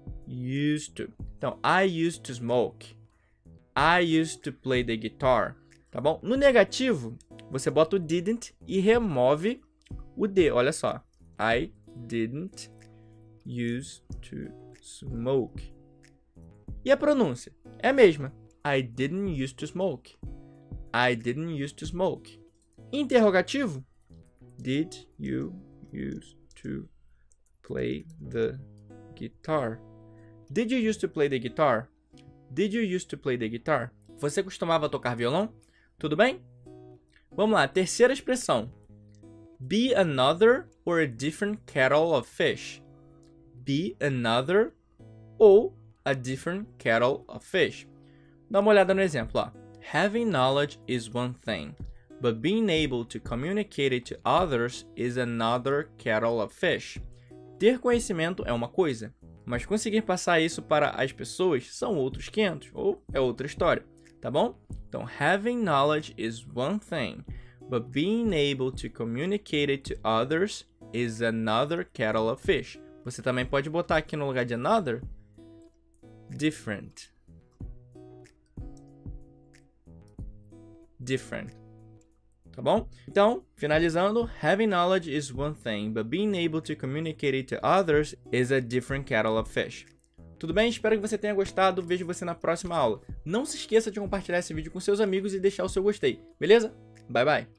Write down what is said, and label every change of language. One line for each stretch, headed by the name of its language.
English: Used to.
Portuguese: Então,
English: I used to smoke. I used to play the guitar.
Portuguese: Tá bom? No negativo, você bota o didn't e remove o D. Olha só.
English: I didn't use to smoke.
Portuguese: E a pronúncia? É a mesma.
English: I didn't use to smoke. I didn't use to smoke.
Portuguese: Interrogativo?
English: Did you use to play the guitar? Did you use to play the guitar? Did you use to play the guitar?
Portuguese: Você costumava tocar violão? Tudo bem? Vamos lá, terceira expressão.
English: Be another or a different kettle of fish. Be another or a different kettle of fish.
Portuguese: Dá uma olhada no exemplo, ó.
English: Having knowledge is one thing, but being able to communicate it to others is another kettle of fish.
Portuguese: Ter conhecimento é uma coisa, mas conseguir passar isso para as pessoas são outros 500, ou é outra história, tá bom? Então,
English: having knowledge is one thing, but being able to communicate it to others is another kettle of fish.
Portuguese: Você também pode botar aqui no lugar de another, different. Different. Tá bom? Então, finalizando,
English: having knowledge is one thing, but being able to communicate it to others is a different kettle of fish.
Portuguese: Tudo bem? Espero que você tenha gostado. Vejo você na próxima aula. Não se esqueça de compartilhar esse vídeo com seus amigos e deixar o seu gostei. Beleza?
English: Bye, bye!